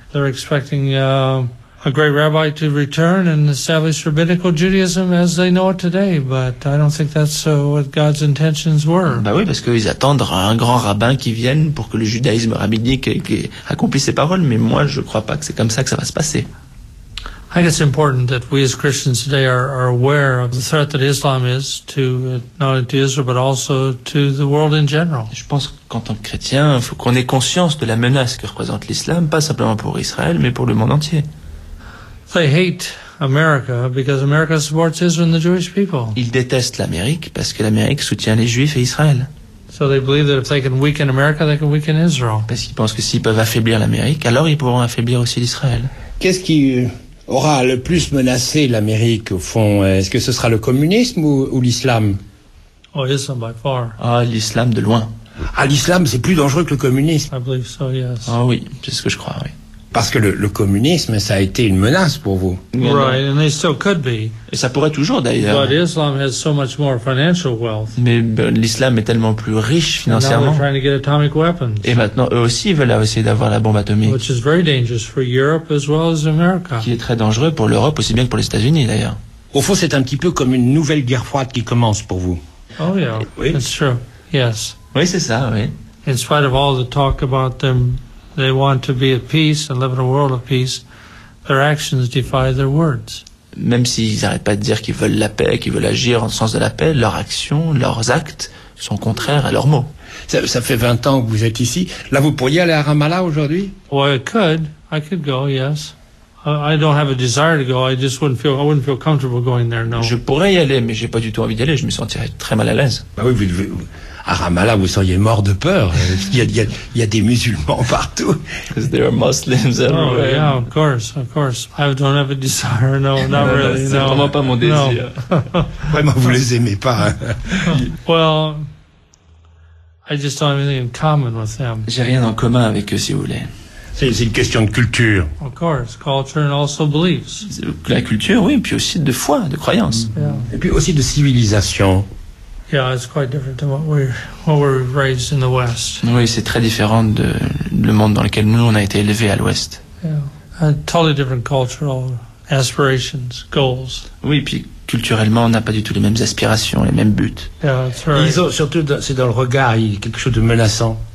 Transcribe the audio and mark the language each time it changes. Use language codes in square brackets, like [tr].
[en] They're expecting a great rabbi to return and establish rabbinical Judaism as they know it today, but I don't think that's what God's intentions were. [fr] Ben oui, parce qu'ils attendent un grand rabbin qui vienne pour que le judaïsme rabbinique accomplisse ses paroles, mais moi je ne crois pas que c'est comme ça que ça va se passer. [en] I think it's important that we as Christians today are aware of the threat that Islam is to not only to Israel but also to the world in general. [fr] Je pense qu'en tant que chrétien, il faut qu'on ait conscience de la menace que représente l'islam, pas simplement pour Israël, mais pour le monde entier. [en] They hate America because America supports Israel and the Jewish people. [fr] Ils détestent l'Amérique parce que l'Amérique soutient les Juifs et Israël. [en] So they believe that if they can weaken America, they can weaken Israel. [fr] Parce qu'ils pensent que s'ils peuvent affaiblir l'Amérique, alors ils pourront affaiblir aussi l'Israël. Qu'est-ce qui aura le plus menacé l'Amérique, au fond? Est-ce que ce sera le communisme ou l'islam? [en] Oh, Islam by far. [fr] Ah, l'islam de loin. Ah, l'islam, c'est plus dangereux que le communisme. [en] I believe so, yes. [fr] Ah oui, c'est ce que je crois, oui. Parce que le communisme, ça a été une menace pour vous. [en] Right, and they still could be. [fr] Et ça pourrait toujours, d'ailleurs. [en] But Islam has so much more financial wealth. [fr] Mais l'islam est tellement plus riche financièrement. [en] And now they're trying to get atomic weapons. [fr] Et maintenant, eux aussi veulent essayer d'avoir la bombe atomique. [en] Which is very dangerous for Europe as well as America. [fr] Qui est très dangereux pour l'Europe aussi bien que pour les États-Unis, d'ailleurs. Au fond, c'est un petit peu comme une nouvelle guerre froide qui commence pour vous. [en] Oh yeah, oui. That's true. Yes. [fr] Oui, c'est ça, oui. [en] In spite of all the talk about them. They want to be at peace and live in a world of peace. Their actions defy their words. [fr] Même s'ils n'arrêtent pas de dire qu'ils veulent la paix, qu'ils veulent agir en sens de la paix, leurs actions, leurs actes sont contraires à leurs mots. Ça fait 20 ans que vous êtes ici. Là, vous pourriez aller à Ramallah aujourd'hui? [en] Well, I could go, yes. I don't have a desire to go. I just wouldn't feel. I wouldn't feel comfortable going there. No. [fr] Je pourrais y aller, mais j'ai pas du tout envie d'y aller. Je me sentirais très mal à l'aise. Bah oui, à Ramallah, vous seriez mort de peur. Il y a des musulmans partout. [en] Because there are Muslims everywhere. Oh, yeah, of course, of course. I don't have a desire. No, not no, really. [fr] C'est [en] no. [fr] Vraiment pas mon désir. No. Vraiment, vous les aimez pas. Hein. [en] Well, I just don't have anything in common with them. [fr] J'ai rien en commun avec eux, si vous voulez. C'est une question de culture. [en] Of course, culture and also beliefs. [fr] La culture, oui, puis aussi de foi, de croyance. [en] Yeah. [fr] Et puis aussi de civilisation. [en] Yeah, it's quite different than what we're raised in the West. [fr] Oui, c'est très différent de le monde dans lequel nous, on a été élevés à l'Ouest. [en] Yeah. Totally different cultural aspirations, goals. [fr] Oui, puis culturellement, on n'a pas du tout les mêmes aspirations, les mêmes buts. [en] Yeah, that's right. [fr] Ils ont, surtout, c'est dans le regard, il y a quelque chose de menaçant.